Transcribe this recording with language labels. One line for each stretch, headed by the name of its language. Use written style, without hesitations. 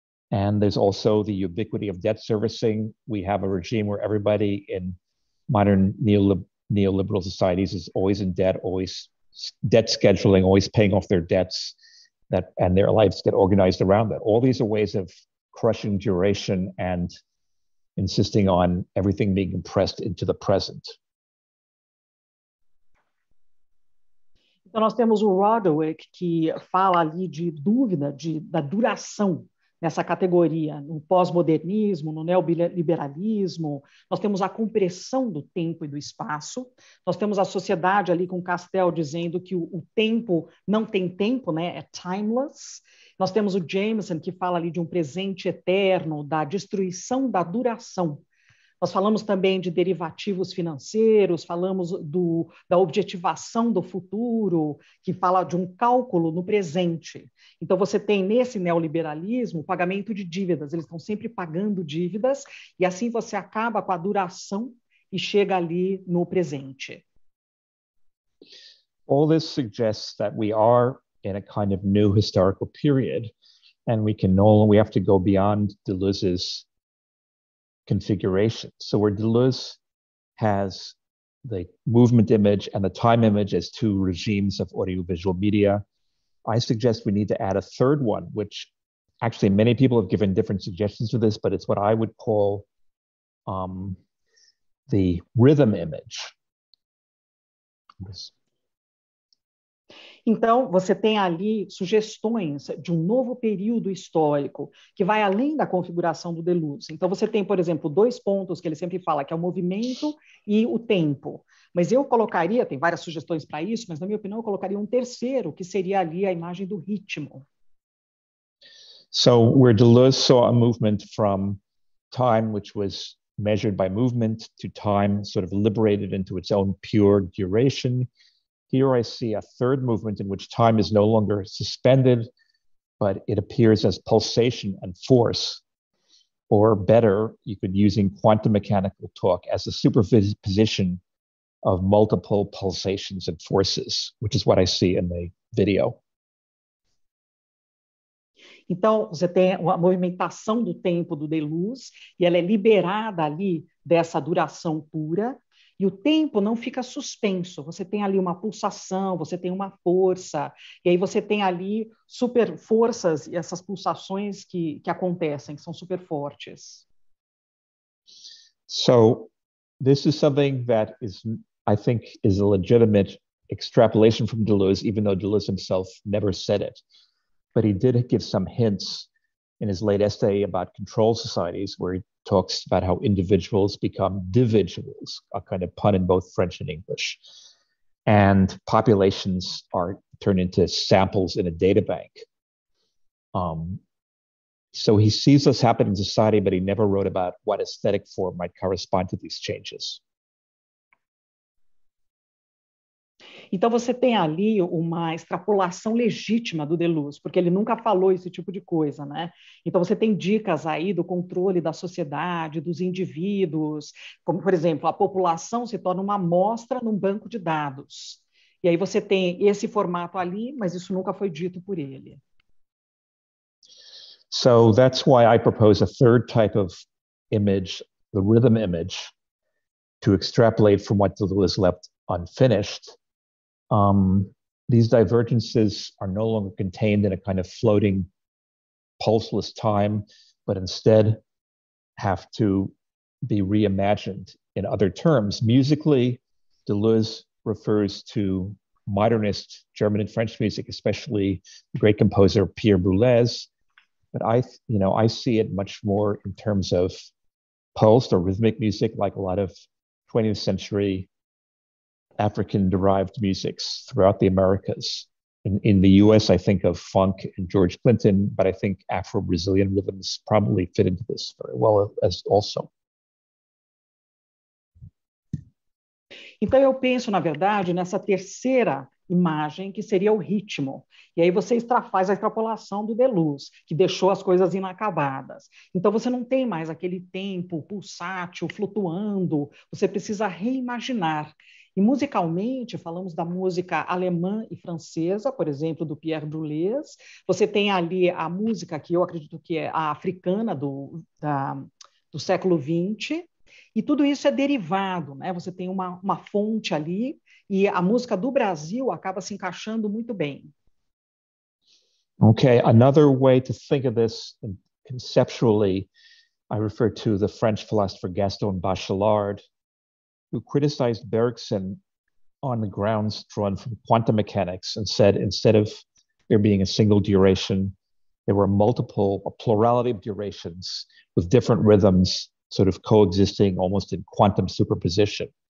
English: And there's also the ubiquity of debt servicing. We have a regime where everybody in modern neoliberal societies is always in debt, always debt scheduling, always paying off their debts, that and their lives get organized around that. All these are ways of crushing duration and insisting on everything being compressed into the present.
Portuguese: Então nós temos o Rodwick, que fala ali de dúvida da duração nessa categoria, no pós-modernismo, no neoliberalismo. Nós temos a compressão do tempo e do espaço. Nós temos a sociedade ali com Castel dizendo que o tempo não tem tempo, né? É timeless. Nós temos o Jameson, que fala ali de um presente eterno, da destruição da duração. Nós falamos também de derivativos financeiros, falamos da objetivação do futuro, que fala de um cálculo no presente. Então, você tem nesse neoliberalismo o pagamento de dívidas, eles estão sempre pagando dívidas, e assim você acaba com a duração e chega ali no presente.
English: All this suggests that we are in a kind of new historical period, and we have to go beyond Deleuze's configuration. So where Deleuze has the movement image and the time image as two regimes of audiovisual media, I suggest we need to add a third one, which actually many people have given different suggestions for this, but it's what I would call the rhythm image.
Portuguese: Então, você tem ali sugestões de um novo período histórico que vai além da configuração do Deleuze. Então, você tem, por exemplo, dois pontos que ele sempre fala, que é o movimento e o tempo. Mas eu colocaria, tem várias sugestões para isso, mas na minha opinião, eu colocaria um terceiro, que seria ali a imagem do ritmo.
English: So, where Deleuze saw a movement from time, which was measured by movement, to time sort of liberated into its own pure duration, here I see a third movement in which time is no longer suspended, but it appears as pulsation and force. Or better, you could, using quantum mechanical talk, as a superposition of multiple pulsations and forces, which is what I see in the video.
Portuguese: Então, você tem a movimentação do tempo do Deleuze, e ela é liberada ali dessa duração pura. E o tempo não fica suspenso, você tem ali uma pulsação, você tem uma força, e aí você tem ali super forças e essas pulsações que acontecem, que são super fortes.
English: So, this is something that is, I think, is a legitimate extrapolation from Deleuze, even though Deleuze himself never said it. But he did give some hints in his late essay about control societies, where he talks about how individuals become dividuals, a kind of pun in both French and English. And populations are turned into samples in a data bank. So he sees this happen in society, but he never wrote about what aesthetic form might correspond to these changes.
Portuguese: Então você tem ali uma extrapolação legítima do Deleuze, porque ele nunca falou esse tipo de coisa, né? Então você tem dicas aí do controle da sociedade, dos indivíduos, como, por exemplo, a população se torna uma amostra num banco de dados. E aí você tem esse formato ali, mas isso nunca foi dito por ele.
English: So that's why I propose a third type of image the rhythm image to extrapolate from what was left unfinished. These divergences are no longer contained in a kind of floating, pulseless time, but instead have to be reimagined in other terms. Musically, Deleuze refers to modernist German and French music, especially the great composer Pierre Boulez. But I see it much more in terms of pulsed or rhythmic music, like a lot of 20th century African-derived musics throughout the Americas. In the US, I think of funk and George Clinton, but I think Afro-Brazilian rhythms probably fit into this very well as also.
Portuguese: Então, eu penso, na verdade, nessa terceira imagem, que seria o ritmo. E aí você faz a extrapolação do Deleuze, que deixou as coisas inacabadas. Então, você não tem mais aquele tempo pulsátil, flutuando, você precisa reimaginar. E musicalmente, falamos da música alemã e francesa, por exemplo, do Pierre Boulez. Você tem ali a música que eu acredito que é a africana do século XX. E tudo isso é derivado, né? Você tem uma fonte ali e a música do Brasil acaba se encaixando muito bem.
English: Okay, another way to think of this conceptually, I refer to the French philosopher Gaston Bachelard, who criticized Bergson on the grounds drawn from quantum mechanics and said instead of there being a single duration, there were a plurality of durations with different rhythms sort of coexisting almost in quantum superposition.